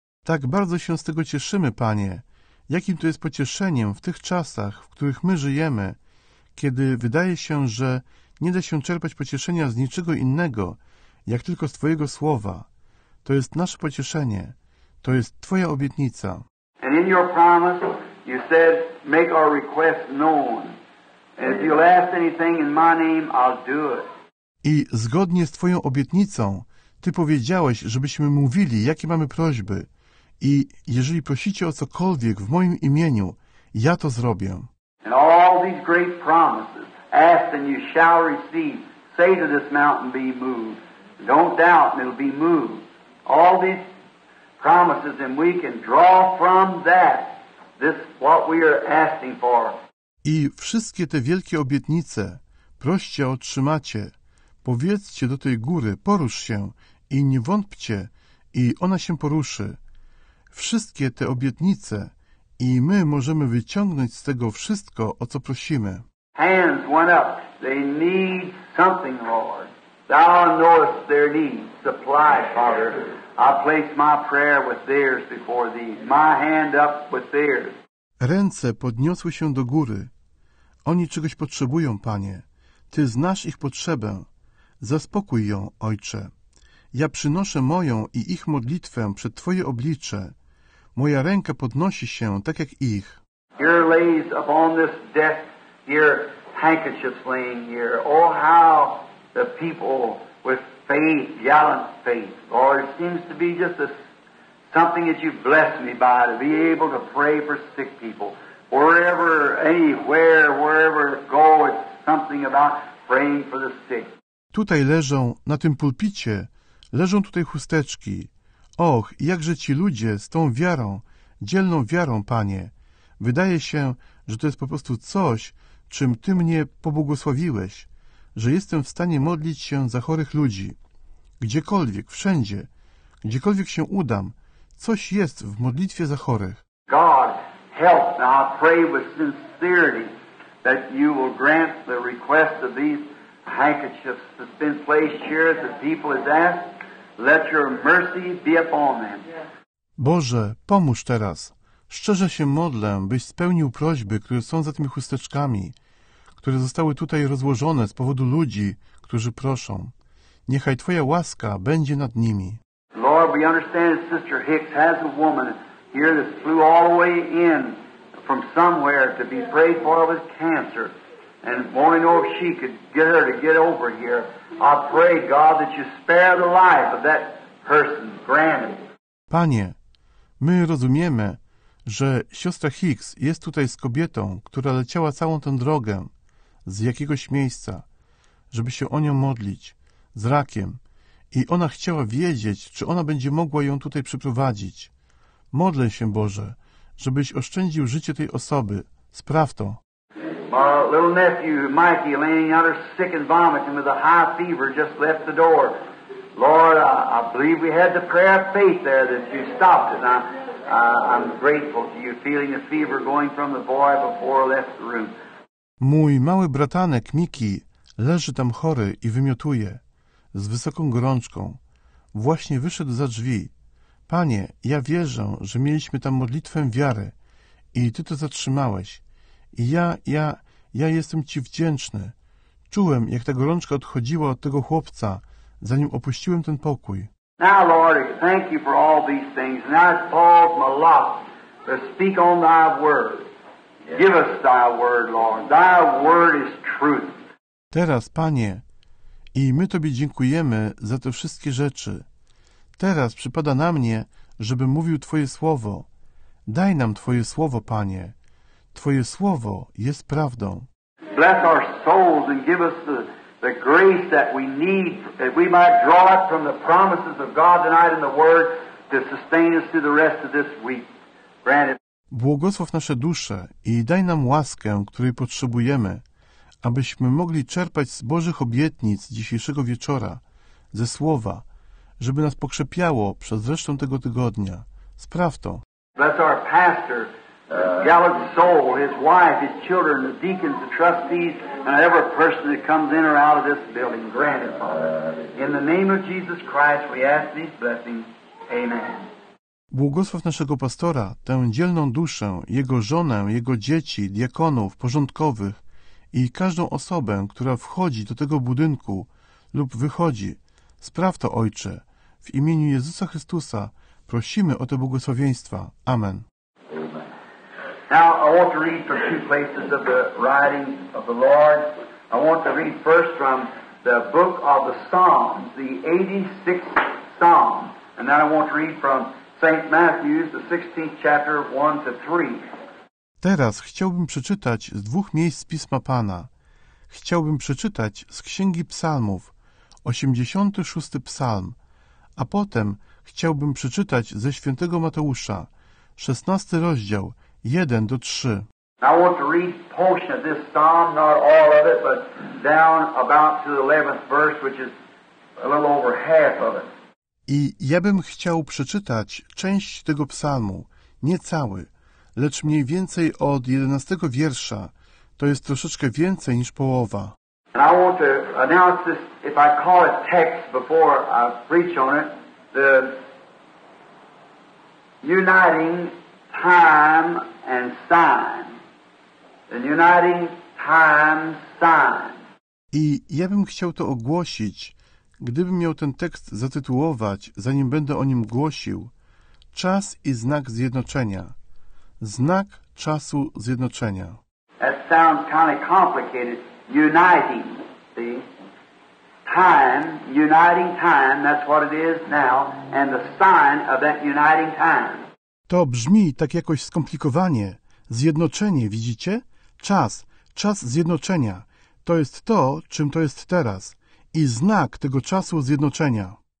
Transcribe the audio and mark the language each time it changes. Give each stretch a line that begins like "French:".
Polish: Tak bardzo się z tego cieszymy, Panie. Jakim to jest pocieszeniem w tych czasach, w których my żyjemy, kiedy wydaje się, że nie da się czerpać pocieszenia z niczego innego, jak tylko z Twojego słowa. To jest nasze pocieszenie. To jest Twoja obietnica.
English: And in your promise, you said, make our request known. And if you'll ask anything in my name, I'll do it.
Polish: I zgodnie z Twoją obietnicą, Ty powiedziałeś, żebyśmy mówili, jakie mamy prośby. I jeżeli prosicie o cokolwiek w moim imieniu, ja to zrobię.
English: And all these great promises, ask and you shall receive. Say to this mountain, be moved. Don't doubt, and it'll be moved. All these promises, and we can draw from that this what we are asking for.
Polish: I wszystkie te wielkie obietnice, proście, otrzymacie. Powiedzcie do tej góry, porusz się i nie wątpcie, i ona się poruszy. Wszystkie te obietnice i my możemy wyciągnąć z tego wszystko, o co prosimy.
English: Hands went up. They need something, Lord. Thou knowest their need. Supply, Father. I place my prayer with theirs before thee. My hand up with theirs.
Polish: Ręce podniosły się do góry. Oni czegoś potrzebują, Panie. Ty znasz ich potrzebę. Zaspokój ją, Ojcze. Ja przynoszę moją i ich modlitwę przed Twoje oblicze. Moja ręka podnosi się tak jak ich.
English: Here lays upon this desk your handkerchief laying here. Oh, how the people with faith, gallant faith. Lord, it seems to be just something that you've blessed me by, to be able to pray for sick people. Wherever, anywhere, wherever go, it's something about praying for the sick.
Polish: Tutaj leżą, na tym pulpicie, leżą tutaj chusteczki. Och, jakże ci ludzie z tą wiarą, dzielną wiarą, Panie. Wydaje się, że to jest po prostu coś, czym Ty mnie pobłogosławiłeś, że jestem w stanie modlić się za chorych ludzi. Gdziekolwiek, wszędzie, gdziekolwiek się udam, coś jest w modlitwie za chorych.
English: God, help, now I pray with sincerity that you will grant the request of these handkerchiefs that's been placed here as the people has asked, let your mercy be upon them.
Polish: Boże, pomóż teraz. Szczerze się modlę, byś spełnił prośby, które są za tymi chusteczkami, które zostały tutaj rozłożone z powodu ludzi, którzy proszą. Niechaj Twoja łaska będzie nad nimi.
English: Lord, we understand that Sister Hicks has a woman here that flew all the way in from somewhere to be prayed for with cancer. And wanting to know if she could get her to get over here, I pray, God, that you spare the life of that person, granted.
Polish: Panie, my rozumiemy, że siostra Hicks jest tutaj z kobietą, która leciała całą tę drogę z jakiegoś miejsca, żeby się o nią modlić, z rakiem, i ona chciała wiedzieć, czy ona będzie mogła ją tutaj przyprowadzić. Modlę się, Boże, żebyś oszczędził życie tej osoby. Spraw to.
English: My little nephew, Mikey, laying out sick and vomiting with a high fever, just left the door. Lord, I believe we had the prayer of faith there that you stopped it. I'm grateful to you, feeling the fever going from the boy before I left the room.
Polish: Mój mały bratanek, Mikey, leży tam chory i wymiotuje z wysoką gorączką. Właśnie wyszedł za drzwi. Panie, ja wierzę, że mieliśmy tam modlitwę wiary i Ty to zatrzymałeś. I ja jestem Ci wdzięczny. Czułem, jak ta gorączka odchodziła od tego chłopca, zanim opuściłem ten pokój.
English: Now, Lord, thank you for all these things. Now it's Paul's my lot to speak on thy word. Give us thy word, Lord. Thy word is truth.
Polish: Teraz, Panie, I my Tobie dziękujemy za te wszystkie rzeczy. Teraz przypada na mnie, żebym mówił Twoje słowo. Daj nam Twoje słowo, Panie. Twoje słowo jest prawdą.
English: Bless our souls and give us the grace that we need, that we might draw it from the promises of God tonight in the Word to sustain us through the rest of this week. Granted.
Polish: Błogosław nasze dusze i daj nam łaskę, której potrzebujemy, abyśmy mogli czerpać z Bożych obietnic dzisiejszego wieczora, ze Słowa, żeby nas pokrzepiało przez resztę tego tygodnia. Spraw to.
English: Bless our pastor, Gallup's soul, his wife, his children, the deacons, the trustees, and every person that comes in or out of this building. Grant it, Father. In the name of Jesus Christ, we ask these blessings. Amen.
Polish: Błogosław naszego pastora, tę dzielną duszę, jego żonę, jego dzieci, diakonów, porządkowych i każdą osobę, która wchodzi do tego budynku lub wychodzi. Spraw to, Ojcze. W imieniu Jezusa Chrystusa prosimy o te błogosławieństwa. Amen.
English: Now I want to read from two places of the writings of the Lord. I want to read first from the book of the Psalms, the 86th Psalm. And then I want to read from St. Matthew's, the 16th chapter, 1-3.
Polish: Teraz chciałbym przeczytać z dwóch miejsc Pisma Pana. Chciałbym przeczytać z Księgi Psalmów, 86. Psalm, a potem chciałbym przeczytać ze Świętego Mateusza, 16. rozdział, 1-3.
English: I want to read a portion of this psalm, not all of it, but down about to the 11th verse, which is a little over half of it.
Polish: I ja bym chciał przeczytać część tego psalmu, nie cały, lecz mniej więcej od 11 wiersza, to jest troszeczkę więcej niż połowa.
English: And I want to announce this, if I call it text before I preach on it, the uniting time and sign. The uniting time sign.
Polish: I ja bym chciał to ogłosić. Gdybym miał ten tekst zatytułować, zanim będę o nim głosił, Czas i Znak Zjednoczenia. Znak Czasu Zjednoczenia.
English: That sounds kind of complicated. Uniting, see? Time, uniting time, that's what it is now, and the sign of that uniting time.
Polish: To brzmi tak jakoś skomplikowanie. Zjednoczenie, widzicie? Czas, czas zjednoczenia. To jest to, czym to jest teraz. I znak tego czasu zjednoczenia.